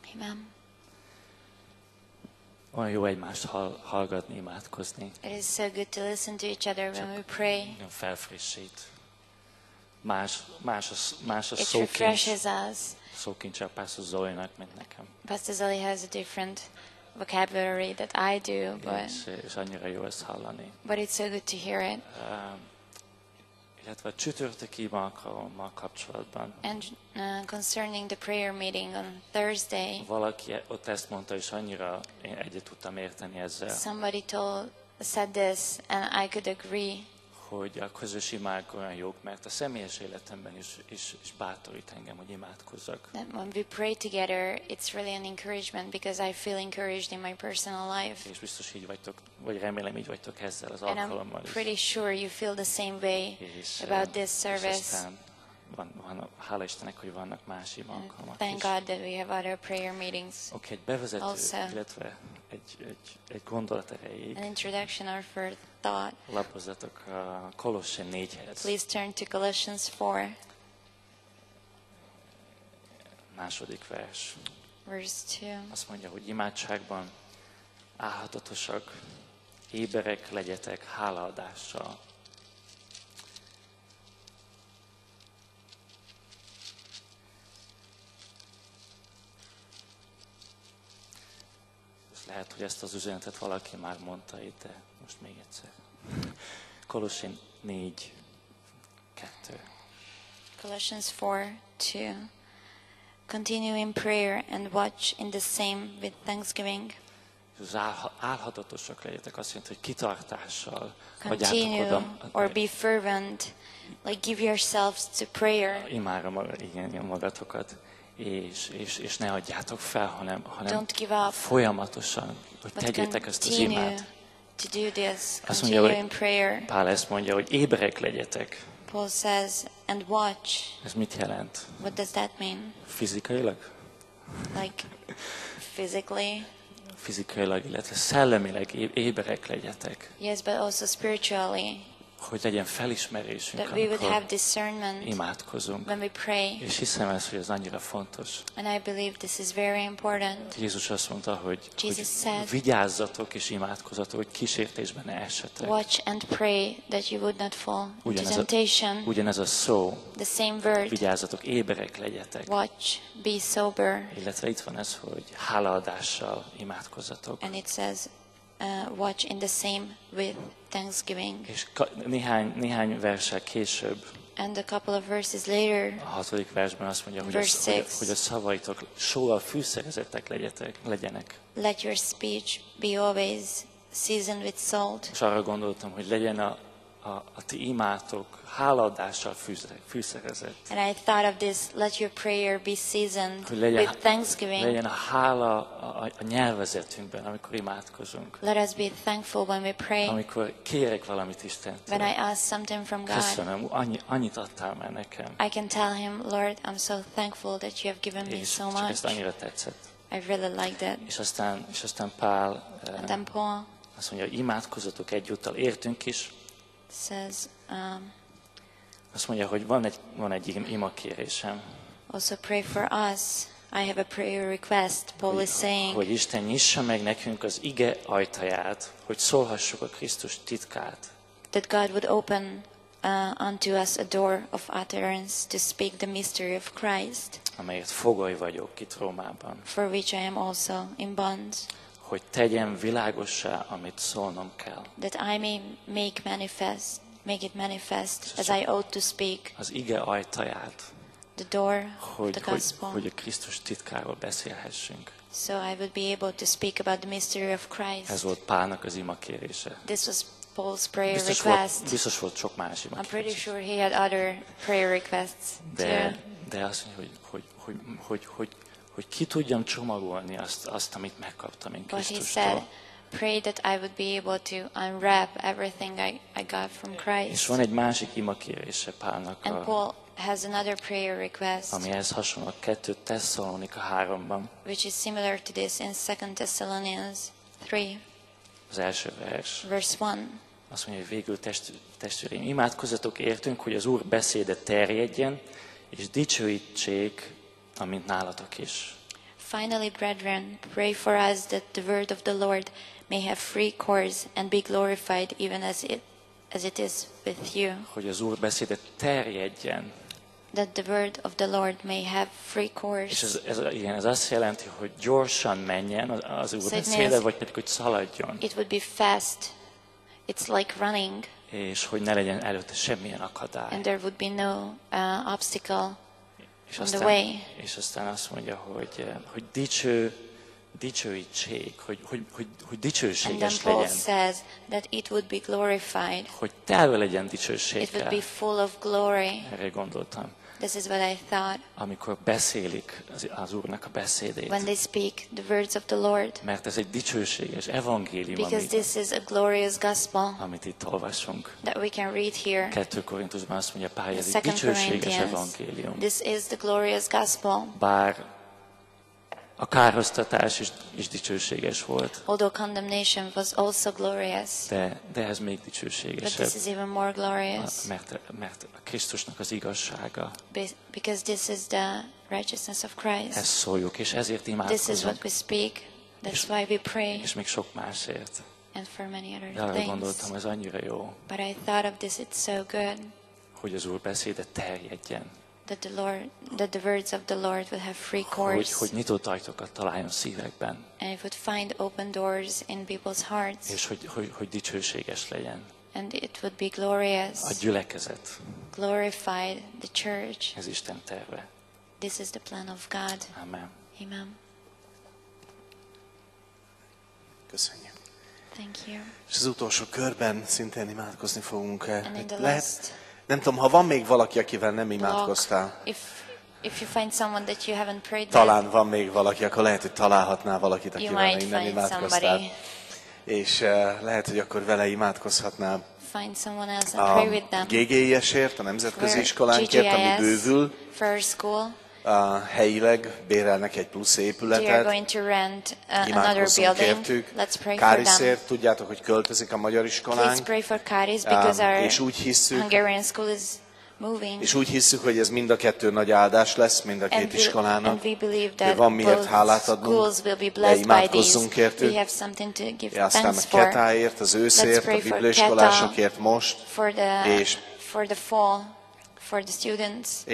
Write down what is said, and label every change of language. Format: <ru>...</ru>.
<hu>Amen. Olyan jó egymást hallgatni, imádkozni.</hu> <en>It is so good to listen to each other when we pray.</en> <hu>Csak felfrissít. Más a szókincs.</hu> <en>It refreshes us.</en> <hu>Szókincs a Pastor Zoe-nak, mint nekem.</hu> <en>Pastor Zoe has a different vocabulary that I do, but</en> <hu>és annyira jó ezt hallani.</hu> <en>But it's so good to hear it.</en> <hu>Illetve csütörtöki imákkal kapcsolatban.</hu> <en>And concerning the prayer meeting on Thursday.</en> <hu>Valaki ott ezt mondta, és annyira egyet tudtam érteni ezzel.</hu> <en>Somebody said this, and I could agree.</en> <hu>Hogy a közös imák olyan jók, mert a személyes életemben is bátorít engem, hogy imádkozzak.</hu> <en>That when we pray together, it's really an encouragement because I feel encouraged in my personal life.</en> <hu>És biztos így vagytok, vagy remélem így vagytok ezzel az alkalommal.</hu> <en>And I'm pretty sure you feel the same way about this service.</en> <hu>Van, hála Istennek, hogy vannak más imák.</hu> <en>Thank God that we have other prayer meetings.</en> <hu>Okay, egy bevezető,</hu> <en>also.</en> <hu>Illetve egy gondolat erejéig.</hu> <en>An introduction or for thought.</en> <hu>Lapozzatok a Kolossé 4-hez.</hu> <en>Please turn to Colossians 4.</en> <hu>Második vers.</hu> <en>Verse 2.</en> <hu>Azt mondja, hogy imádságban áhatatosak, éberek legyetek hálaadással. Lehet, hogy ezt az üzenetet valaki már mondta itt, de most még egyszer. Kolossé 4:2.</hu> <en>Colossians 4:2. Continue in prayer and watch in the same with thanksgiving.</en> <hu>Állhatatosak legyetek, azt jelenti, hogy kitartással.</hu> <en>Continue or be fervent, like give yourselves to prayer.</en> <hu>Imádom, igen, magatokat. És ne adjátok fel, hanem</hu> <en>don't give up,</en> <hu>folyamatosan, hogy tegyétek ezt az imát.</hu> <en>To do this,</en> <hu>azt mondja, hogy</hu> <en>in prayer.</en> <hu>Pál ezt mondja, hogy éberek legyetek.</hu> <en>Paul says, and watch.</en> <hu>Ez mit jelent?</hu> <en>What does that mean?</en> <hu>Fizikailag?</hu> <en>Like, physically?</en> <hu>Fizikailag, illetve szellemileg éberek legyetek.</hu> <en>Yes, but also spiritually.</en> <hu>Hogy legyen felismerésünk, amikor imádkozunk.</hu> <en>When we pray.</en> <hu>És hiszem ezt, hogy ez annyira fontos.</hu> <en>And I believe this is very important.</en> <hu>Jézus azt mondta, hogy,</hu> <en>Jesus</en> <hu>hogy</hu> <en>said,</en> <hu>vigyázzatok és imádkozzatok, hogy kísértésben ne essetek.</hu> <en>Watch and pray that you would not fall into temptation.</en> <hu>Ugyanez a szó.</hu> <en>The same word.</en> <hu>Vigyázzatok, éberek legyetek.</hu> <en>Watch, be sober.</en> <hu>Illetve itt van ez, hogy hálaadással imádkozzatok.</hu> <en>And it says, watch in the same with thanksgiving.</en> <hu>És néhány verssel később.</hu> <en>And a couple of verses later.</en> <hu>A hatodik versben azt mondja, hogy a szavaitok sóval fűszerezettek legyenek.</hu> <en>Let your speech be always seasoned with salt.</en> <hu>És arra gondoltam, hogy legyen a ti imátok hálaadással fűszerezett.</hu> <en>And I thought of this, let your prayer be seasoned with thanksgiving.</en> <hu>Legyen a hála a nyelvezetünkben, amikor imádkozunk.</hu> <en>Let us be thankful when we pray.</en> <hu>Amikor kérek valamit Istentől.</hu> <en>When I ask something from God.</en> <hu>Köszönöm, annyit adtál már nekem.</hu> <en>I can tell him, Lord, I'm so thankful that you have given me so much.</en> <hu>És ezt annyira tetszett.</hu> <en>I really liked it.</en> <hu>És aztán Pál,</hu> <en>and then Paul,</en> <hu>azt mondja, hogy imádkozzatok egyúttal értünk is.</hu> <en>Says,</en> <hu>azt mondja, hogy van egy ima kérésem.</hu> <en>Also pray for us. I have a prayer request. Paul is saying.</en> <hu>Hogy Isten nyissa meg nekünk az ige ajtaját, hogy szólhassuk a Krisztus titkát.</hu> <en>That God would open unto us a door of utterance to speak the mystery of Christ.</en> <hu>Amelyet fogoly vagyok itt Rómában.</hu> <en>For which I am also in bonds.</en> <hu>Hogy tegyem világossá, amit szólnom kell.</hu> <en>That I may make it manifest as I ought to speak.</en> <hu>Az ige ajtaját.</hu> <en>The door of the gospel.</en> <hu>Hogy a Krisztus titkáról beszélhessünk.</hu> <en>So I would be able to speak about the mystery of Christ.</en> <hu>Ez volt Pálnak az ima kérése.</hu> <en>This was Paul's prayer request.</en> <hu>Biztos volt sok más ima kérése.</hu> <en>I'm pretty sure he had other prayer requests too.</en> <hu>De azt mondja, hogy ki tudjam csomagolni azt amit megkaptam én Krisztustól.</hu> <en>But he said, pray that I would be able to unwrap everything I got from Christ.</en> <hu>És van egy másik imakérése Pálnak.</hu> <en>And Paul has another prayer request.</en> <hu>Ami ez hasonló a 2. Tesszalonika 3-ban.</hu> <en>Which is similar to this in 2 Thessalonians 3.</en> <hu>Az első vers.</hu> <en>Verse 1.</en> <hu>Azt mondja, hogy végül testvéreim, imádkozzatok értünk, hogy az Úr beszéde terjedjen, és dicsőítsék, amint nálatok is.</hu> <en>Finally, brethren, pray for us that the word of the Lord may have free course and be glorified even as it is with you.</en> <hu>Hogy az Úr beszéde terjedjen.</hu> <en>That the word of the Lord may have free course.</en> <hu>És ez azt jelenti, hogy gyorsan menjen az Úr beszéde, vagy pedig, hogy szaladjon.</hu> <en>It would be fast. It's like running.</en> <hu>És hogy ne legyen előtte semmilyen akadály.</hu> <en>And there would be no obstacle.</en> <hu>És aztán, azt mondja, hogy dicsőítsék, hogy dicsőséges legyen.</hu> <en>And then Paul says that it would be glorified.</en> <hu>Hogy telve legyen dicsőséggel.</hu> <en>It would be full of glory.</en> <hu>Erre gondoltam.</hu> <en>This is what I thought.</en> <hu>Amikor beszélik az Úrnak a beszédét.</hu> <en>When they speak the words of the Lord.</en> <hu>Mert ez egy dicsőséges evangélium.</hu> <en>Because this is a glorious gospel.</en> <hu>Amit itt olvasunk.</hu> <en>That we can read here.</en> <hu>2 Korintusban azt mondja Pál, ez egy dicsőséges evangélium.</hu> <en>This is the glorious gospel.</en> <hu>Bár a károsztatás is dicsőséges volt.</hu> <en>Although condemnation was also glorious.</en> <hu>De ez még dicsőségesebb.</hu> <en>But this is even more glorious.</en> <hu>Mert a Krisztusnak az igazsága.</hu> <en>Because this is the righteousness of Christ.</en> <hu>Ezt szóljuk, és ezért imádkozunk.</hu> <en>This is what we speak. That's why we pray.</en> <hu>És még sok másért.</hu> <en>And for many other things.</en> <hu>De arra gondoltam, ez annyira jó.</hu> <en>But I thought of this, it's so good.</en> <hu>Hogy az Úr beszéde terjedjen.</hu> <en>That the words of the Lord will have free course.</en> <hu>Hogy nyitott ajtókat találjon szívekben.</hu> <en>And it would find open doors in people's hearts.</en> <hu>És hogy dicsőséges legyen.</hu> <en>And it would be glorious.</en> <hu>A gyülekezet.</hu> <en>Glorified the church.</en> <hu>Ez Isten terve.</hu> <en>This is the plan of God.</en> <hu>Amen.</hu> <en>Amen.</en> <hu>Köszönjük.</hu> <en>Thank you.</en> <hu>És az utolsó körben szintén imádkozni fogunk.</hu> <en>And in the last.</en> <hu>Nem tudom, ha van még valaki, akivel nem imádkoztál.</hu> <en>If you find someone that you haven't prayed with.</en> <hu>Talán van még valaki, akkor lehet, hogy találhatnál valakit, akivel még nem imádkoztál.</hu> <en>Somebody.</en> <hu>És lehet, hogy akkor vele imádkozhatnám.</hu> <en>Find someone else and pray with them.</en> <hu>A GGIS-ért, a nemzetközi iskolánkért, ami bővül.</hu> <en>For school.</en> <hu>Helyileg bérelnek egy plusz épületet.</hu> <en>Going to rent another building.</en> <hu>Kértük.</hu> <en>Let's pray</en> <hu>Káriszért,</hu> <en>for them.</en> <hu>Tudjátok, hogy költözik a magyar iskolánk.</hu> <en>Please pray for Káris, because our Hungarian school is moving.</en> <hu>És úgy hiszük, hogy ez mind a kettő nagy áldás lesz, mind a két iskolának.</hu> <en>And we believe that</en> <hu>van miért hálát adnunk.</hu> <en>Schools will be blessed by these.</en> <hu>Imádkozzunk értük.</hu> <en>We have something to give</en> <hu>aztán</hu> <en>thanks</en> <hu>a Ketáért, az őszért, a bibliaiskolásokért most.</hu> <en>For the students.</en>